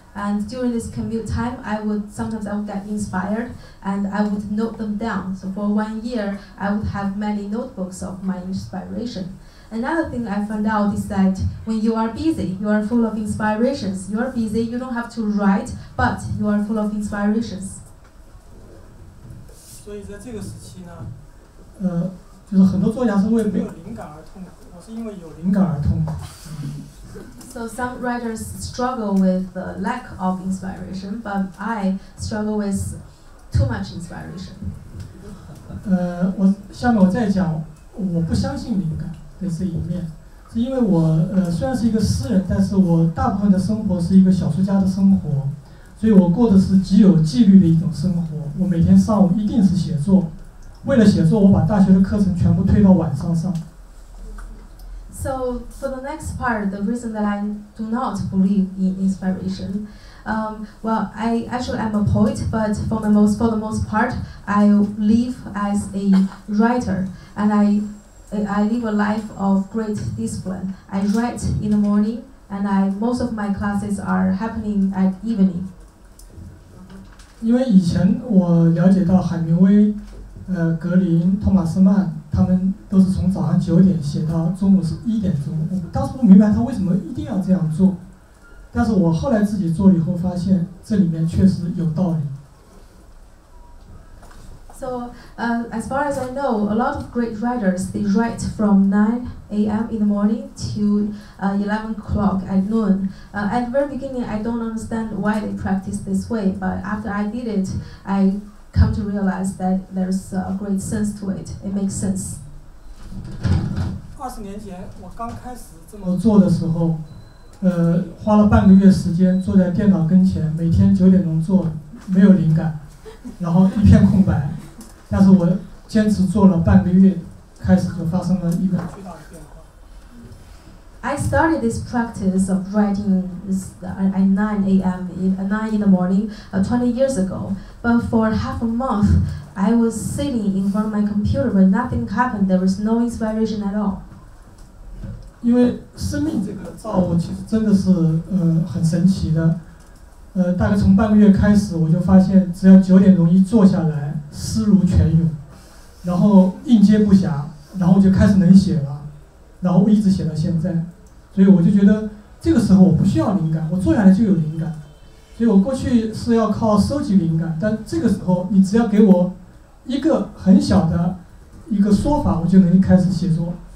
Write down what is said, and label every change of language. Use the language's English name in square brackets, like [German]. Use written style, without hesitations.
[English] And during this commute time, I would sometimes get inspired and I would note them down. So for 1 year, I would have many notebooks of my inspiration. Another thing I found out is that when you are busy, you are full of inspirations. You are busy, you don't have to write, but you are full of inspirations. [Chinese] 所以在这个时期呢，就是很多作家是为没有灵感而痛苦，我是因为有灵感而痛苦。 [English] So some writers struggle with the lack of inspiration, but I struggle with too much inspiration. [Chinese] 我下面再讲，我不相信灵感的这一面，是因为我虽然是一个诗人，但是我大部分的生活是一个小说家的生活。所以我过的是极有纪律的一种生活，我每天上午一定是写作，为了写作我把大学的课程全部推到晚上上。 [English] So for the next part, the reason that I do not believe in inspiration, well, I actually am a poet, but for the most part, I live as a writer, and I live a life of great discipline. I write in the morning, and most of my classes are happening at evening. [Chinese] 因为以前我了解到海明威、格林、托马斯曼，他们都是从早上9点写到中午1点钟。我当时不明白他为什么一定要这样做，但是我后来自己做了以后，发现这里面确实有道理。 [English] So, as far as I know, a lot of great writers they write from 9 a.m. in the morning to 11 o'clock at noon. At the very beginning, I don't understand why they practice this way. But after I did it, I come to realize that there's a great sense to it. It makes sense. [Chinese] 20年前，我刚开始这么做的时候，花了半个月时间坐在电脑跟前，每天9点钟做，没有灵感，然后一片空白。但是我坚持做了半个月，开始就发生了一个巨大的变化。 [English] I started this practice of writing at 9 a.m. in the morning 20 years ago. But for half a month, I was sitting in front of my computer, but nothing happened. There was no inspiration at all. [Chinese] 因为生命这个造物其实真的是很神奇的。大概从半个月开始，我就发现只要9点钟一坐下来。思如泉涌，然后应接不暇，然后就开始能写了，然后一直写到现在，所以我就觉得这个时候我不需要灵感，我坐下来就有灵感，所以我过去是要靠收集灵感，但这个时候你只要给我一个很小的一个说法，我就能开始写作。